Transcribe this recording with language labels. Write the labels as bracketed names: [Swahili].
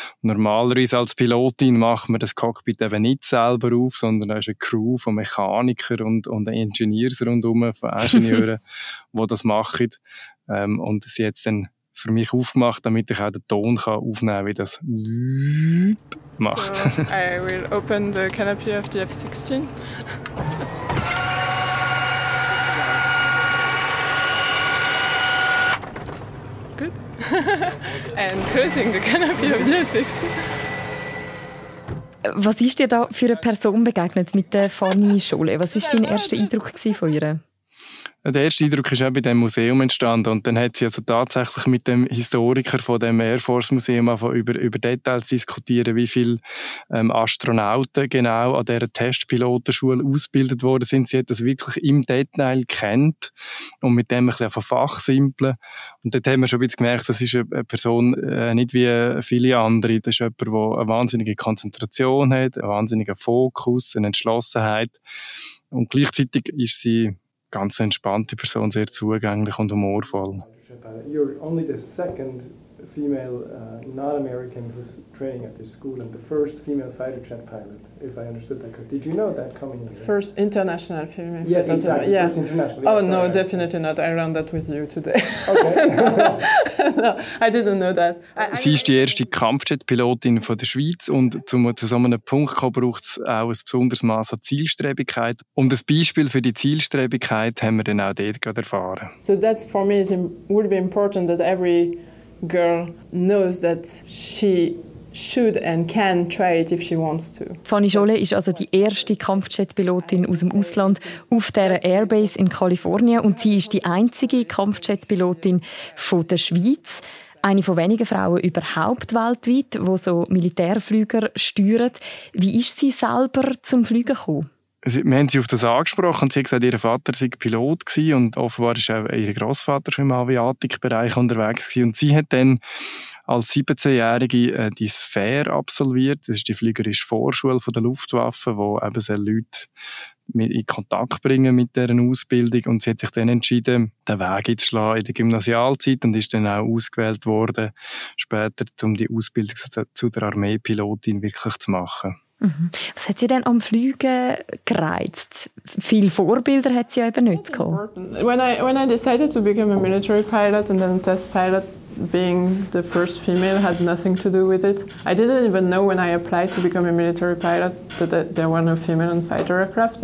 [German] Normalerweise als Pilotin macht man das Cockpit eben nicht selber auf, sondern da ist eine Crew von Mechanikern und Engineers rundherum, von Ingenieuren, die das machen. Und sie hat es dann für mich aufgemacht, damit ich auch den Ton aufnehmen kann, wie das macht. [English] So, I will open the canopy of the F-16. Good. And closing the canopy of the F-16. [German] Was ist dir da für eine Person begegnet mit der Fanny-Schule? Was war dein erster Eindruck von ihr? Der erste Eindruck ist auch bei diesem Museum entstanden. Und dann hat sie also tatsächlich mit dem Historiker von dem Air Force Museum über Details diskutiert, wie viele Astronauten genau an dieser Testpilotenschule ausgebildet worden sind. Sie hat das wirklich im Detail gekannt und mit dem ein bisschen von Fachsimpeln. Und dort haben wir schon ein bisschen gemerkt, das ist eine Person nicht wie viele andere. Das ist jemand, der eine wahnsinnige Konzentration hat, einen wahnsinnigen Fokus, eine Entschlossenheit. Und gleichzeitig ist sie ganz entspannte Person, sehr zugänglich und humorvoll. [English] You're only the second female non-American who's training at this school and the first female fighter jet pilot, if I understood that correctly. Did you know that coming here? First international female pilot. Yes, exactly. Yeah. First international. Oh, no, definitely not. I ran that with you today. Okay. No, I didn't know that. [German] Sie ist die erste Kampfjet-Pilotin von der Schweiz und zu so einem Punkt kommen, braucht es auch ein besonderes Maß an Zielstrebigkeit. Und ein Beispiel für die Zielstrebigkeit haben wir dann auch dort gerade erfahren. [English] So that's for me is would be important that every girl knows that she should and can try it if she wants to. [German] Fanny Scholle ist also die erste Kampfjet-Pilotin aus dem Ausland auf dieser Airbase in Kalifornien und sie ist die einzige Kampfjet-Pilotin von der Schweiz. Eine von wenigen Frauen überhaupt weltweit, die so Militärflüger steuern. Wie ist sie selber zum Fliegen gekommen? Wir haben sie auf das angesprochen. Sie hat gesagt, ihr Vater sei Pilot gewesen und offenbar ist auch ihr Grossvater schon im Aviatikbereich unterwegs gewesen. Und sie hat dann als 17-Jährige die Sphere absolviert. Das ist die fliegerische Vorschule von der Luftwaffe, wo eben Leute in Kontakt bringen mit deren Ausbildung. Und sie hat sich dann entschieden, den Weg einzuschlagen in der Gymnasialzeit und ist dann auch ausgewählt worden, später, um die Ausbildung zu der Armeepilotin wirklich zu machen. Was hat sie denn am Fliegen gereizt? Viele Vorbilder hat sie ja eben nicht gehabt. [English] When I decided to become a military pilot and then a test pilot, being the first female had nothing to do with it. I didn't even know when I applied to become a military pilot that there were no female on fighter aircraft.